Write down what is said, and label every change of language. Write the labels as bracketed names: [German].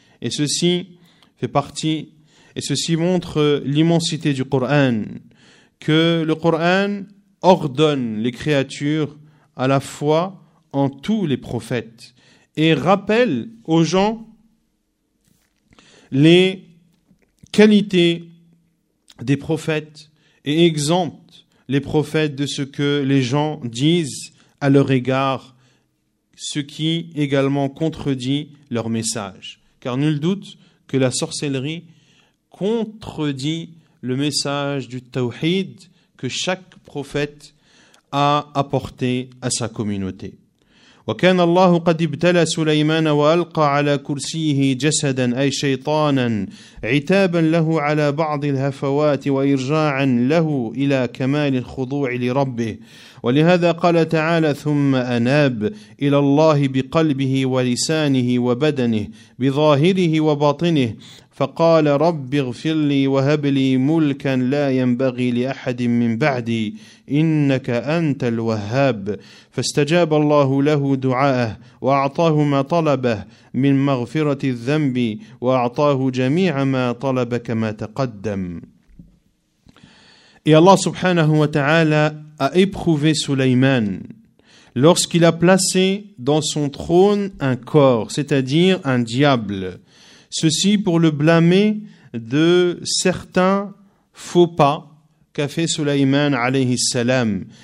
[French] Et ceci fait partie, et ceci montre l'immensité du Coran, que le Coran ordonne les créatures à la foi en tous les prophètes et rappelle aux gens les qualités des prophètes et exempte les prophètes de ce que les gens disent à leur égard, ce qui également contredit leur message. Car nul doute que la sorcellerie contredit le message du tawhid que chaque prophète a apporté à sa communauté. [Arabic] وكان الله قد ابتلى سليمان وألقى على كرسيه جسدا أي شيطانا عتابا له على بعض الهفوات وإرجاعا له إلى كمال الخضوع لربه ولهذا قال تعالى ثم أناب إلى الله بقلبه ولسانه وبدنه بظاهره وباطنه فقال رب اغفر لي وهب لي ملكا لا ينبغي لأحد من بعدي إنك أنت الوهاب فاستجاب الله له دعاءه وأعطاه ما طلبه من مغفرة الذنب وأعطاه جميع ما طلب كما تقدم. [French] Et Allah [Arabic] subhanahu wa ta'ala [French] a éprouvé Sulayman lorsqu'il a placé dans son trône un corps, c'est-à-dire un diable. Ceci pour le blâmer de certains faux pas qu'a fait Sulayman [Arabic] alayhi salam.